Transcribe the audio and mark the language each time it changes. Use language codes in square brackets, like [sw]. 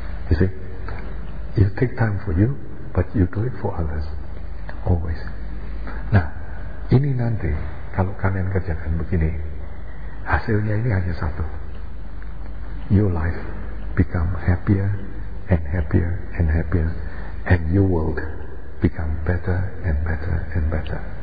[en] You see, you take time for you, but you do it for others, always. [id] Nah, ini nanti kalau kalian kerjakan begini, hasilnya ini hanya satu. [en] Your life become happier and happier and happier, and your world become better and better and better.